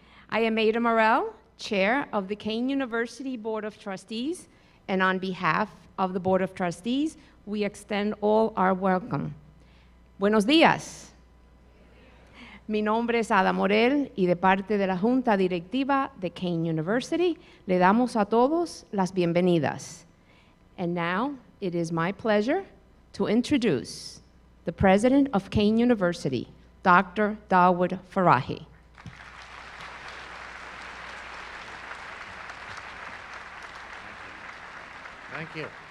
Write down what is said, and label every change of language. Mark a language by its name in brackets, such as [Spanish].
[English] I am Ada Morell, Chair of the Kane University Board of Trustees, and on behalf of the Board of Trustees, we extend all our welcome. [Spanish] Buenos días. Mi nombre es Ada Morell, y de parte de la Junta Directiva de Kane University, le damos a todos las bienvenidas. [English] And now, it is my pleasure to introduce the President of Kane University, Dr. Dawood Farahi. Thank you.